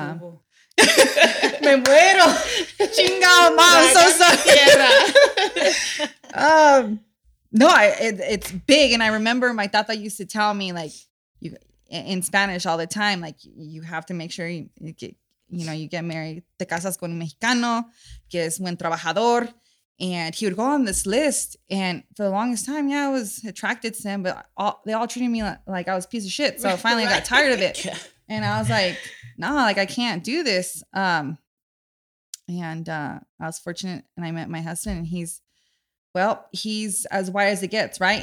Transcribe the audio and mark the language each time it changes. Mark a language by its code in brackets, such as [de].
[es] Me muero. Chingao, mom. [en] So sorry. No, it's big. And I remember my tata used to tell me, like, you in Spanish all the time, like, you have to make sure you get married. [es] Te casas con un mexicano, que es buen trabajador. [en] And he would go on this list. And for the longest time, yeah, I was attracted to them, but they all treated me like I was a piece of shit. So finally I got tired of it. Yeah. And I was like, nah, like, I can't do this. I was fortunate and I met my husband, and he's as white as it gets, right?